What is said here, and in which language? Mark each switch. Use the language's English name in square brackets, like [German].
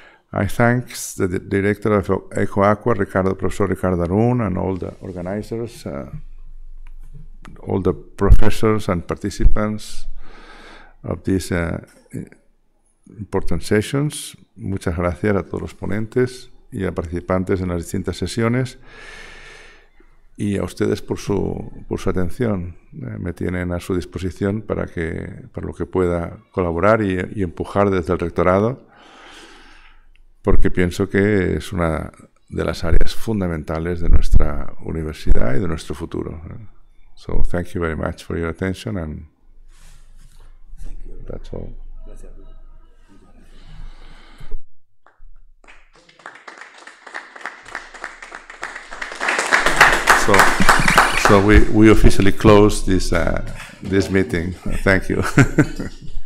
[English] I thank the director of Equaqua, Professor Ricardo Arun, and all the organizers, all the professors and participants of these important sessions. [Spanish] Muchas gracias a todos los ponentes y a participantes en las distintas sesiones y a ustedes por su atención. Me tienen a su disposición para lo que pueda colaborar y empujar desde el rectorado, porque pienso que es una de las áreas fundamentales de nuestra universidad y de nuestro futuro. [English] So thank you very much for your attention, and thank you. That's all. So we officially close this meeting. Thank you.